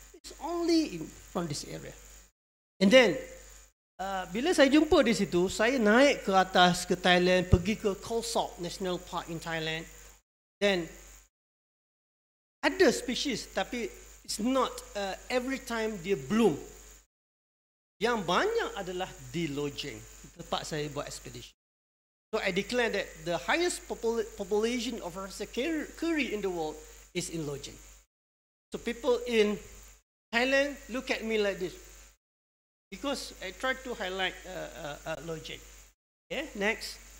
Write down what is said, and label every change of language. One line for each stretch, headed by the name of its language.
English: It's only from this area. And then
Malay: bila saya jumpa di situ, saya naik ke atas ke Thailand, pergi ke Khao Sok National Park in Thailand.
English: Then
Malay: ada species, tapi
English: it's not every time they bloom.
Malay: Yang banyak adalah di Lodging, tempat saya buat expedition.
English: So I declare that the highest population of Rafflesia curry in the world is in Lodging. So people in Thailand look at me like this, because I try to highlight Lodging. Okay, next.